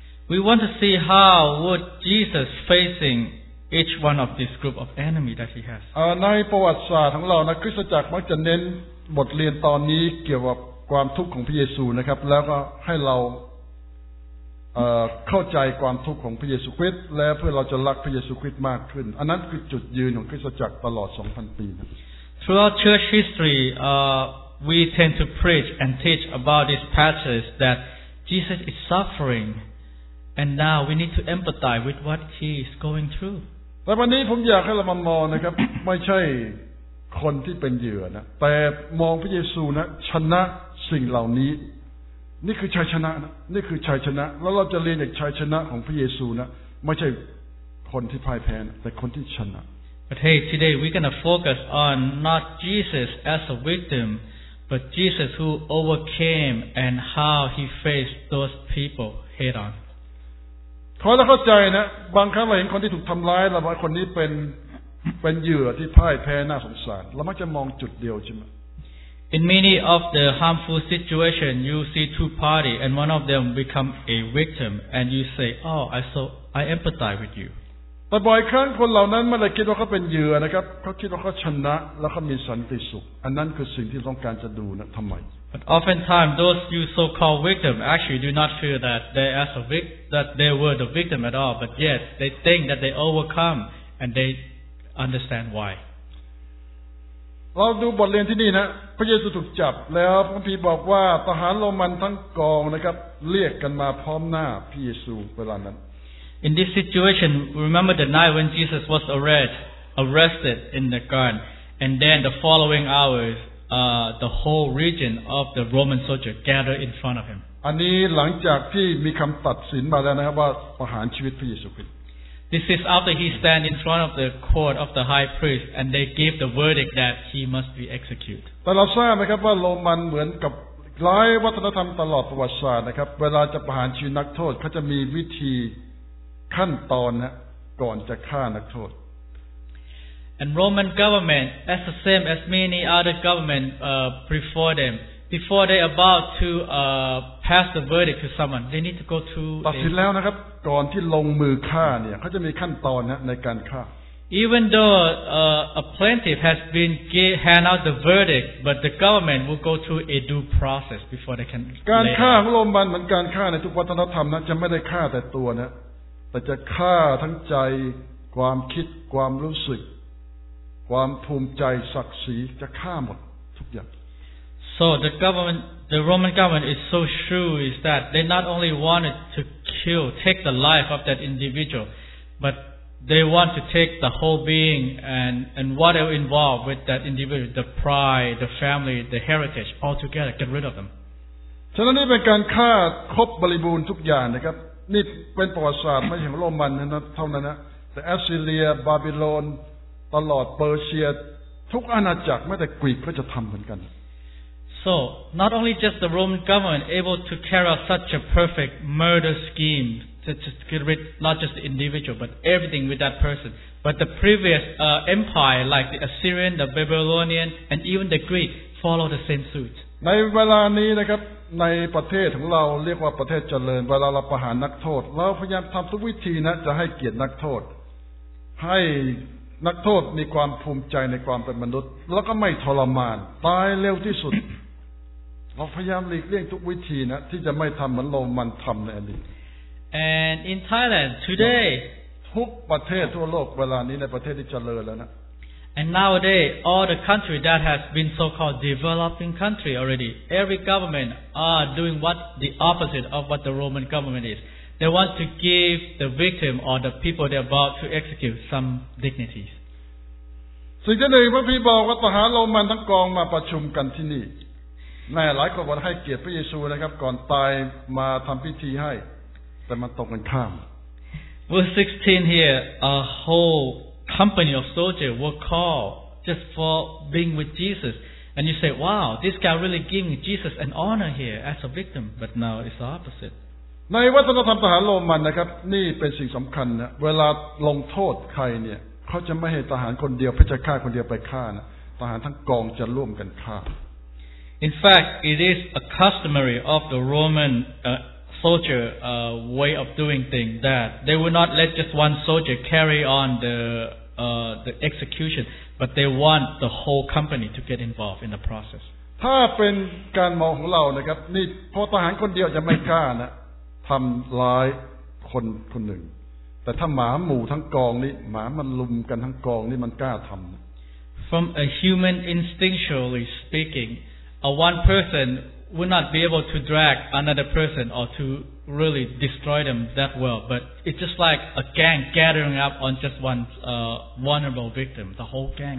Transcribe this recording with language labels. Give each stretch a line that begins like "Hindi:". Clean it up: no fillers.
English: We want to see how would Jesus facing each one of this group of enemy that he has.
Thai: ในประวัติศาสตร์ของเรานะคริสตจักรมักจะเน้นบทเรียนตอนนี้เกี่ยวกับความทุกข์ของพระเยซูนะครับแล้วก็ให้เราเข้าใจความทุกข์ของพระเยซูคริสต์และเพื่อเราจะรักพระเยซูคริสต์มากขึ้นอันนั้นคือจุดยืนของคริสตจักรตลอด 2,000 ปีนะ
English: Throughout church history we tend to preach and teach about this passage that Jesus is suffering and now we need to empathize with what he is going through
Thai: แต่วันนี้ผมอยากให้เรามองนะครับไม่ใช่คนที่เป็นเหยื่อนะแต่มองพระเยซูนะชนะสิ่งเหล่านี้นี่คือชัยชนะนะนี่คือชัยชนะแล้วเราจะเรียนจากชัยชนะของพระเยซูนะไม่ใช่คนที่พ่ายแพ้แต่คนที่ชนะ
English: But hey today we're going to focus on not Jesus as a victim but Jesus who overcame and how he faced those people head on
Thai: ขอให้เข้าใจนะบางครั้งเราเห็นคนที่ถูกทำร้ายเราบอกคนนี้เป็นเหยื่อที่พ่ายแพ้น่าสงสารเรามักจะมองจุดเดียวใช่ไหม
English: In many of the harmful situation, you see two parties, and one of them become a victim, and you say, "Oh, I empathize with you." But many times, people like that, they think they're a victim. They think they've won, and they're happy. That's what they want to see. Why? But oftentimes, those you so-called victims actually do not feel that they are a victim, that they were the victim at all. But yet, they think that they overcome, and they understand why.
Thai: เราดูบทเรียนที่นี่นะพระเยซูถูกจับแล้วพระคัมภีร์บอกว่าทหารโรมันทั้งกองนะครับเรียกกันมาพร้อมหน้าพระเยซูเวลานั้น
English: In this situation remember the night when Jesus was arrested in the garden and then the following hours the whole region of the Roman soldier gathered in front of him
Thai: อันนี้หลังจากที่มีคำตัดสินมาแล้วนะครับว่าประหารชีวิตพระเยซูคริสต์
English: This is after he stand in front of the court of the high priest and they give the verdict that he must be executed.
Thai: แต่เราทราบไหมครับว่าโรมันเหมือนกับหลายวัฒนธรรมตลอดประวัติศาสตร์นะครับเวลาจะประหารชีวิตนักโทษเขาจะมีวิธีขั้นตอนนะก่อนจะฆ่านักโทษ
English: And Roman government as the same as many other government before them before they about to pass the verdict to someone they need to go through
Thai: ตัดสินแล้วนะครับก่อนที่ลงมือฆ่าเนี่ยเขาจะมีขั้นตอนนะในการฆ่า
English: Even though a plaintiff has been hand out the verdict but the government will go through a due process before they can
Thai: การฆ่าของโรมันเหมือนการฆ่าในทุกวัฒนธรรมนะจะไม่ได้ฆ่าแต่ตัวนะแต่จะฆ่าทั้งใจความคิดความรู้สึกความภูมิใจศักดิ์ศรีจะฆ่าหมดทุกอย่าง
English: So the government, the Roman government is so shrewd that they not only wanted to kill, take the life of that individual, but they want to take the whole being and whatever involved with that individual, the pride, the family, the heritage, all together, get rid of them.
Thai: ฉะนั้นนี่เป็นการฆ่าครบบริบูรณ์ทุกอย่างนะครับนี่เป็นประวัติศาสตร์ไม่ใช่ของโรมันเท่านั้นนะแต่แอสซีเรียบาบิโลนตลอดเปอร์เซียทุกอาณาจักรแม้แต่กรีกก็จะทำเหมือนกัน
English: So, not only just the Roman government able to carry out such a perfect murder scheme to just get rid not just the individual, but everything with that person, but the previous empire like the Assyrian, the Babylonian, and even the Greek follow the same suit.
Thai: ในเวลานี้นะครับในประเทศของเราเรียกว่าประเทศเจริญเวลาเราประหารนักโทษเราพยายามทำทุกวิธีนะจะให้เกียรตินักโทษให้นักโทษมีความภูมิใจในความเป็นมนุษย์แล้วก็ไม่ทรมานตายเร็วที่สุดเราพยายามหลีกเลี่ยงทุกวิธีนะที่จะไม่ทำเหมือนโรมันทำในอดีต
English: And in Thailand today
Thai: ทุกประเทศทั่วโลกเวลานี้ในประเทศที่เจริญแล้วนะ
English: And nowadays all the country that has been so called developing country already every government are doing what the opposite of what the Roman government isThey want to give the victim or the people they're about to execute some dignities.
Thai: สิ่งที่หนึ่งพระพี่บอกว่าทหารโรมันทั้งกองมาประชุมกันที่นี่แน่หลายคนบอกให้เกียรติพระเยซูนะครับก่อนตายมาทำพิธีให้แต่มันตรงกันข้าม
English: Verse 16 here a whole company of soldiers were called just for being with Jesus and you say wow this guy really giving Jesus an honor here as a victim but now it's the opposite
Thai: ในวัฒนธรรมทหารโรมันนะครับนี่เป็นสิ่งสำคัญนะเวลาลงโทษใครเนี่ยเขาจะไม่ให้ทหารคนเดียวพระเจ้าฆ่าคนเดียวไปฆ่านะทหารทั้งกองจะร่วมกันฆ่า
English: In fact it is a customary of the Roman soldier way of doing things that they would not let just one soldier carry on the execution but they want the whole company to get involved in the process
Thai: ถ้าเป็นการมองของเรานะครับนี่พอทหารคนเดียวจะไม่ฆ่านะทำร้ายคนคนหนึ่งแต่ถ้าหมาหมู่ทั้งกองนี่หมามันลุมกันทั้งกองนี่มันกล้าทำ
English: From a human instinctually speaking, a one person would not be able to drag another person or to really destroy them that well. But it's just like a gang gathering up on just one vulnerable victim, the whole gang.